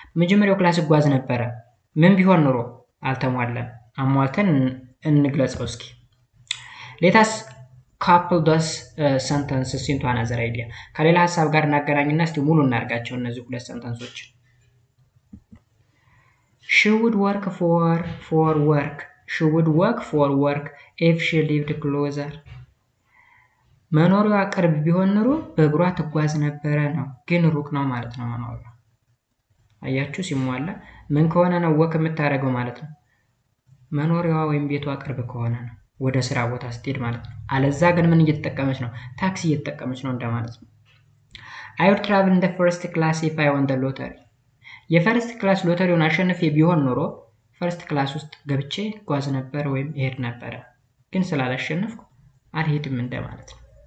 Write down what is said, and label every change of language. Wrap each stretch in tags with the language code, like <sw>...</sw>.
<am>መጀመሪያው ክላስ ጓዝ ነበር ምን ቢሆን ኖሮ አልተሟለ አሟልተን እንግለጸው እስኪ</am> <en>Let us couple those sentences into another idea.</en> <am>ከሌላ ሐሳብ ጋር እናገናኝና እስቲ ሙሉ እናርጋቸው እነዚህ ሁለት sentences.</am> <en>She would work for work. She would work for work if she lived closer.</en> <am>መኖሪያዋ ቅርብ ቢሆን ኖሮ በእግሯ ትጓዝ ነበረ ነው ግን ሩቅ ነው ማለት ነው መኖሪያዋ. አያችሁ ሲሟላ ምን ከሆነ ነው ወክ የምታረገው ማለት ነው መኖሪያዋ ወይም ቤቷ ቅርብ ከሆነ ነው ወደ ስራ ቦታ ስትሄድ ማለት ነው አለዛ ግን ምን እየተጠቀመች ነው ታክሲ እየተጠቀመች ነው እንደማለት ነው</am> <en>I would travel in the first class if I won the lottery</en> <am>የፈርስት ክላስ ሎተሪውን አሸንፌ ቢሆን ኖሮ ፈርስት ክላስ ውስጥ ገብቼ ጓዝ ነበር ወይም እሄድ ነበር ግን ስላላሸነፍኩ አልሄድም እንደማለት ነው</am>